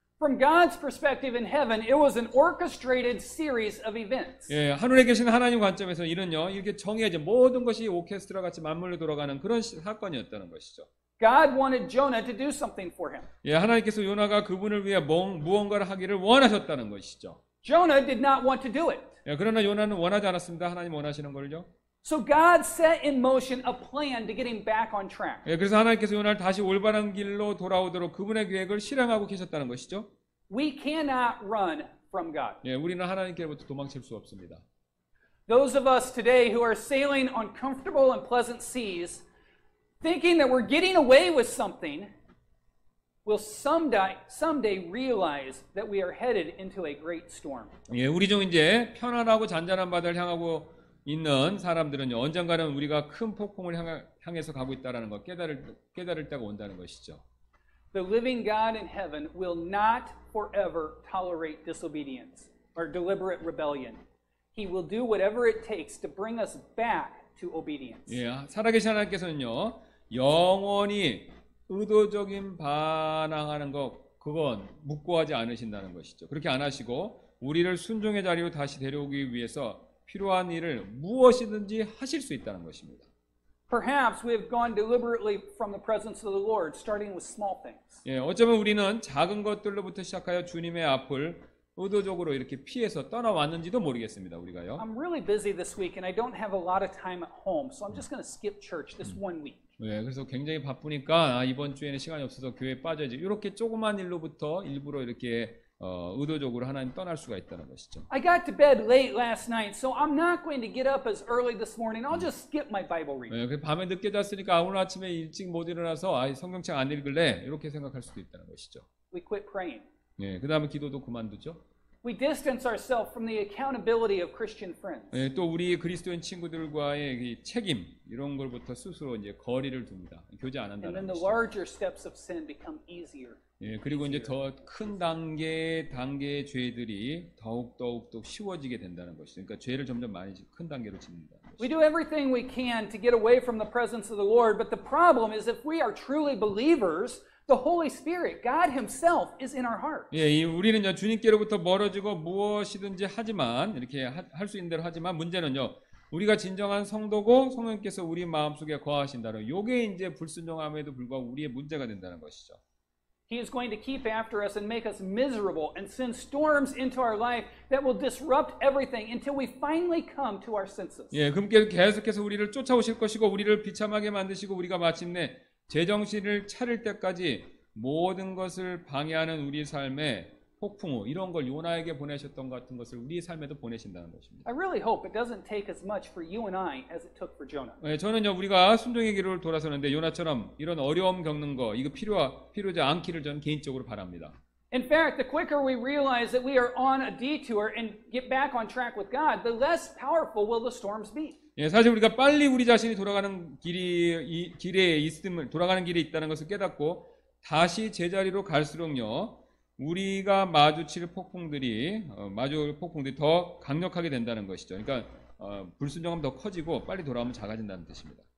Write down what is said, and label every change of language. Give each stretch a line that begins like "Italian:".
English: From God's perspective in heaven, it was an orchestrated series of events.
Korean: 예, 하늘에 계신 하나님 관점에서 이는요 이렇게 정해진 모든 것이 오케스트라 같이 맞물려 돌아가는 그런 사건이었다는 것이죠.
English: God wanted Jonah to do something for him.
Korean: 예, 하나님께서 요나가 그분을 위해 무언가를 하기를 원하셨다는 것이죠.
English: Jonah did not want to do it.
Korean: 예, 그러나 요나는 원하지 않았습니다. 하나님 원하시는 걸요.
English: So God set in motion a plan to get him back on track.
Korean: 예, 그래서 하나님께서 요나를 다시 올바른 길로 돌아오도록 그분의 계획을 실행하고 계셨다는 것이죠.
English: We cannot run from God.
Korean: 예, 우리는 하나님께로부터 도망칠 수 없습니다.
English: Those of us today who are sailing on comfortable and pleasant seas, thinking that we're getting away with something, will someday realize that we are headed into a great storm.
Korean: 예, 우리 중 이제 편안하고 잔잔한 바다를 향하고 있는 사람들은요 언젠가는 우리가 큰 폭풍을 향해서 가고 있다라는 것 깨달을 때가 온다는 것이죠.
English: The living God in heaven will not forever tolerate disobedience or deliberate rebellion. He will do whatever it takes to bring us back to obedience.
Korean: 예, 살아계신 하나님께서는요 영원히 의도적인 반항하는 것 그건 묵고하지 않으신다는 것이죠. 그렇게 안 하시고 우리를 순종의 자리로 다시 데려오기 위해서 필요한 일을 무엇이든지 하실 수 있다는 것입니다.
English: Perhaps we have gone deliberately from the presence of the Lord, starting with small things.
Korean: 예, 어쩌면 우리는 작은 것들로부터 시작하여 주님의 앞을 의도적으로 이렇게 피해서 떠나왔는지도 모르겠습니다, 우리가요.
English: I'm really busy this week and I don't have a lot of time at home, so I'm just going to skip church this one week.
Korean: 예, 그래서 굉장히 바쁘니까 아, 이번 주에는 시간이 없어서 교회에 빠져야지. 이렇게 조그만 일로부터 일부러 이렇게 의도적으로 하나님 떠날 수가 있다는 것이죠.
English: I got to bed late last night, so I'm not going to get up as early this morning. I'll just skip my Bible reading.
Korean: 네, 밤에 늦게 잤으니까 오늘 아침에 일찍 못 일어나서 아예 성경책 안 읽을래 이렇게 생각할 수도 있다는 것이죠.
English: We quit praying.
Korean: 네, 그 다음에 기도도 그만두죠.
English: We distance ourselves from the accountability of Christian friends.
Korean: 네, 또 우리 그리스도인 친구들과의 이 책임 이런 걸부터 스스로 이제 거리를 둡니다. 교제 안 한다는 것이죠.
English: And then the larger steps of sin become easier.
Korean: 예, 그리고 이제 더 큰 단계의 죄들이 더욱 쉬워지게 된다는 것이죠. 그러니까 죄를 점점 많이 큰 단계로 짓는다.
English: We do everything we can to get away from the presence of the Lord, but the problem is if we are truly believers, the Holy Spirit, God Himself, is in our heart.
Korean: 예, 우리는요 주님께로부터 멀어지고 무엇이든지 하지만 이렇게 할 수 있는 대로 하지만 문제는요 우리가 진정한 성도고 성령께서 우리 마음 속에 거하신다는 요게 이제 불순종함에도 불구하고 우리의 문제가 된다는 것이죠.
English: He is going to keep after us and make us miserable and send storms into our life that will disrupt everything until we finally come to our senses.
Korean: 예, 그분께서 계속해서 우리를 쫓아오실 것이고 우리를 비참하게 만드시고 우리가 마침내 제정신을 차릴 때까지 모든 것을 방해하는 우리 삶에 폭풍우 이런 걸 요나에게 보내셨던 것 같은 것을 우리 삶에도 보내신다는 것입니다.
English: I really hope it doesn't take as much for you and I as it took for Jonah.
Korean: 네, 저는요 우리가 순종의 길을 돌아서는데 요나처럼 이런 어려움 겪는 거 이거 필요하지 않기를 저는 개인적으로 바랍니다.
English: In fact, the quicker we realize that we are on a detour and get back on track with God, the less powerful will the storms be.
Korean: 예, 사실 우리가 빨리 우리 자신이 돌아가는 길이 길에 있음을 돌아가는 길이 있다는 것을 깨닫고 다시 제자리로 갈수록요. 우리가 마주칠 폭풍들이 더 강력하게 된다는 것이죠. 그러니까 불순종함이 더 커지고 빨리 돌아오면 작아진다는 뜻입니다.